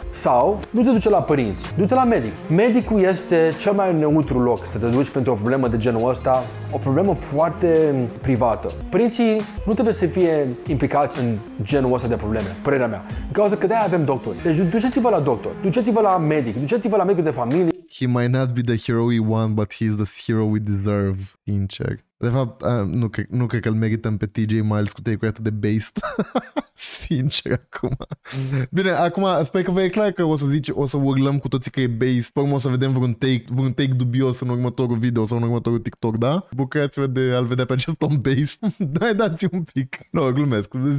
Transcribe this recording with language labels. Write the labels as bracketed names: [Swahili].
[Romanian] Sau nu te duce la părinți, du-te la medic. Medicul este cel mai neutru loc să te duci pentru o problemă de genul ăsta. O problemă foarte privată. Părinții nu trebuie să fie implicați în genul ăsta de probleme, părerea mea. În cauza că de-aia avem doctori. Deci duceți-vă la doctor, duceți-vă la medic, duceți-vă la medicul de familie. [English] He might not be the hero we want, but he is the hero we deserve, [Romanian] sincer. De fapt, nu cred că îl merităm pe TJ Miles cu take-ul atât de based. Sincer, acum. Bine, acum, sper că vă e clar că o să urlăm cu toții că e based. Pe urmă o să vedem vreun take dubios în următorul video sau în următorul TikTok, da? Bucurați-vă de a-l vedea pe acest om based. Dai, dați-i un pic. Nu, glumesc.